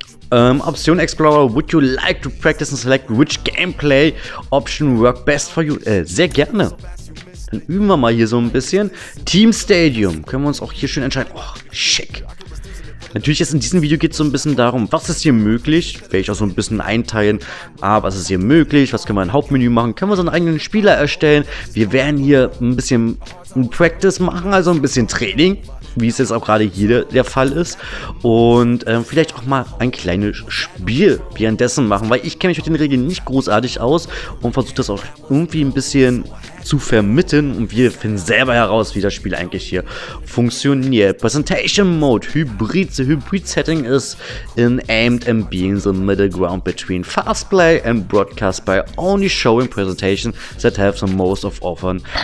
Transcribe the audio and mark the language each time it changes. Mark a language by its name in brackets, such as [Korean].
[English] Option Explorer, would you like to practice and select which gameplay option work best for you? [German] Sehr gerne. Dann üben wir mal hier so ein bisschen. Team Stadium, können wir uns auch hier schön entscheiden. Oh, schick. Natürlich ist in diesem Video geht es so ein bisschen darum, was ist hier möglich? Werde ich auch so ein bisschen einteilen. Ah, was ist hier möglich? Was können wir im Hauptmenü machen? Können wir so einen eigenen Spieler erstellen? Wir werden hier ein bisschen ein Practice machen, also ein bisschen Training, wie es jetzt auch gerade hier der Fall ist. Und vielleicht auch mal ein kleines Spiel währenddessen machen, weil ich kenne mich mit den Regeln nicht großartig aus und versuche das auch irgendwie ein bisschen zu vermitteln. Und wir finden selber heraus, wie das Spiel eigentlich hier funktioniert. [English] Presentation Mode, Hybrid. The Hybrid Setting is in aimed and being the middle ground between fast play and broadcast by only showing presentations that have the most of often.